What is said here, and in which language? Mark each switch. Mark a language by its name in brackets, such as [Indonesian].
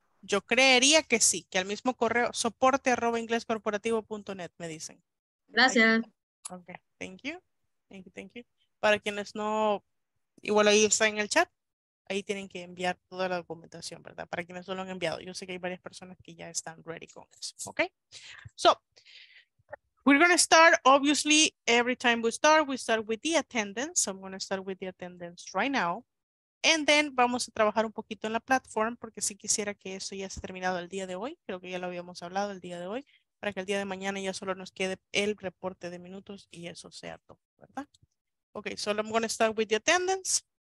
[Spanish] Yo creería que sí, que al mismo correo, soporte@inglescorporativo.net, me dicen. Gracias. [English] Ok, thank you. [Spanish] Para quienes no, igual ahí está en el chat, ahí tienen que enviar toda la documentación, ¿verdad? Para quienes no lo han enviado. Yo sé que hay varias personas que ya están ready con eso, ¿ok? [English] So, we're going to start, obviously, every time we start with the attendance. So I'm going to start with the attendance right now. And then [Spanish] vamos a trabajar un poquito en la platform porque sí quisiera que eso ya se terminado el día de hoy. Creo que ya lo habíamos hablado el día de hoy para que el día de mañana ya solo nos quede el reporte de minutos y eso sea todo, ¿verdad? [English] Ok, so I'm going to start with the attendance.